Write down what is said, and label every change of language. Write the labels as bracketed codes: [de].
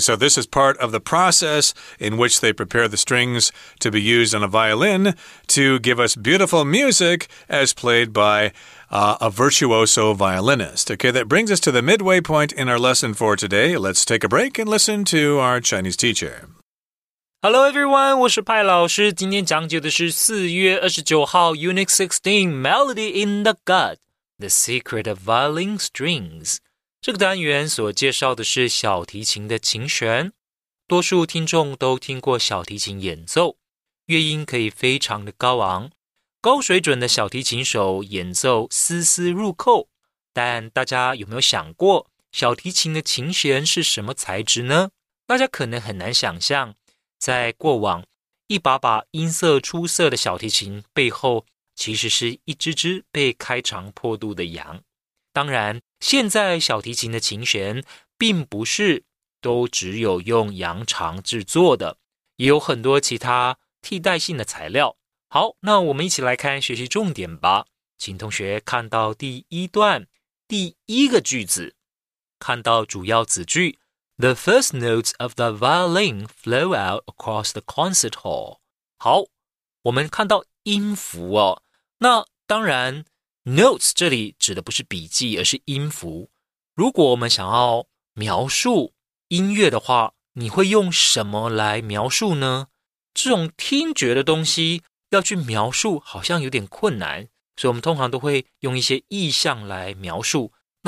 [en] So this is part of the process in which they prepare the strings to be used on a violin to give us beautiful music as played by a virtuoso violinist. Okay, that brings us to the midway point in our lesson for today. Let's take a break and listen to our Chinese teacher. Hello everyone, [zh] 我是派老师。今天讲解的是4月29号 Unit 16 Melody in the Gut, The Secret of Violin Strings。这个单元所介绍的是小提琴的琴弦，多数听众都听过小提琴演奏，乐音可以非常的高昂，高水准的小提琴手演奏丝丝入扣。但大家有没有想过，小提琴的琴弦是什么材质呢？大家可能很难想象，在过往，一把把音色出色的小提琴背后，其实是一只只被开肠破肚的羊。当然，现在小提琴的琴弦并不是都只有用羊肠制作的，也有很多其他替代性的材料。好，那我们一起来看学习重点吧。请同学看到第一段第一个句子，看到主要子句 [en] The first notes of the violin flow out across the concert hall。 [zh] 好，我们看到音符哦，那当然Notes 这里指的不是笔记，而是音符。如果我们想要描述音乐的话，你会用什么来描述呢？这种听觉的东西要去描述好像有点困难，所以我们通常都会用一些意象来描述。那